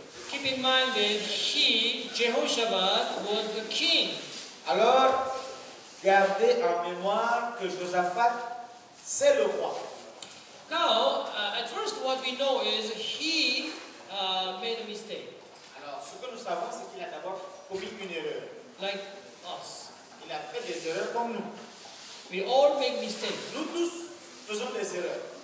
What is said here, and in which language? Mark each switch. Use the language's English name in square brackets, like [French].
[English] Keep in mind that he, Jehoshaphat, was the king. [French] Alors, gardez en mémoire que Josaphat, c'est le roi. [English] Now, at first what we know is he made a mistake. [French] Alors, ce que nous savons, c'est qu'il a d'abord commis une erreur. [English] Like us. [French] Il a fait des erreurs comme nous. [English] We all make mistakes. [French] Nous tous faisons des erreurs.